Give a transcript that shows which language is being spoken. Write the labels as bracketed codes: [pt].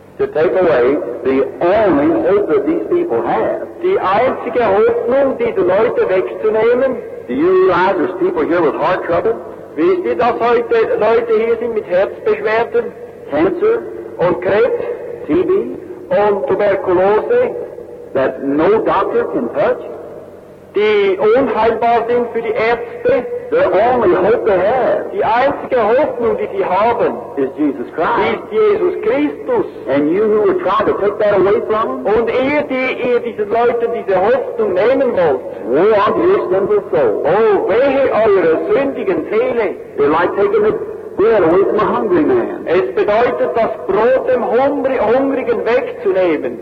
[en] To take away the only hope that these people have. [de] Die einzige Hoffnung, diese Leute wegzunehmen. [en] Do you realize there's people here with heart trouble? [de] Wisst ihr, dass heute Leute hier sind mit Herzbeschwerden? [en] Cancer. [de] Und Krebs. [en] TB. [de] Und Tuberkulose. [en] That no doctor can touch. [de] Die unheilbar sind für die Ärzte. [en] The only hope they have. [de] Die einzige Hoffnung, die sie haben, [en] is Jesus Christ. [de] Ist Jesus Christus. [en] And you who would try to take that away from them. [de] Und ihr diese Leute diese Hoffnung nehmen wollt. [en] Woe unto your sinful soul. [de] Oh, wehe eure sündigen Seele. [en] They're like taking the bread away from a hungry man. [de] Es bedeutet, das Brot dem Hungrigen wegzunehmen.